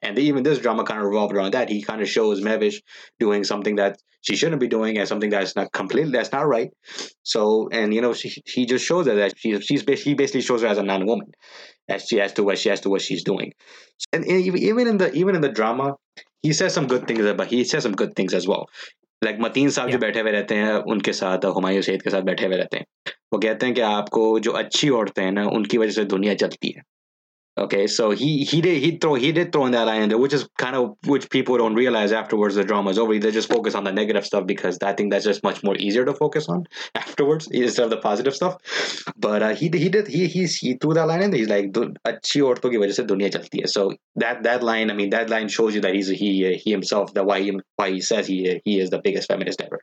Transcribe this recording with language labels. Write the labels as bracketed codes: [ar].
[en] And even this drama kind of revolved around that. He kind of shows Mevish doing something that she shouldn't be doing, and something that's not right. So, and you know, he just shows her that he basically shows her as a non-woman, as to what she's doing. And even in the drama, he says some good things, but he says some good things as well. [hi] Like Mateen साहब जो बैठे हुए रहते हैं उनके साथ, हुमायूं सईद के साथ बैठे हुए रहते हैं, वो कहते हैं कि आपको जो अच्छी औरतें हैं ना उनकी वजह से दुनिया चलती है. [en] Okay, so he did throw in that line in there, which is kind of which people don't realize afterwards the drama is over. They just focus on the negative stuff because I think that's just much more easier to focus on afterwards instead of the positive stuff. But he threw that line in there. He's like, [hi] "Achhi aurton ki wajah se duniya chalti hai." [en] So that line shows you that he himself says he is the biggest feminist ever.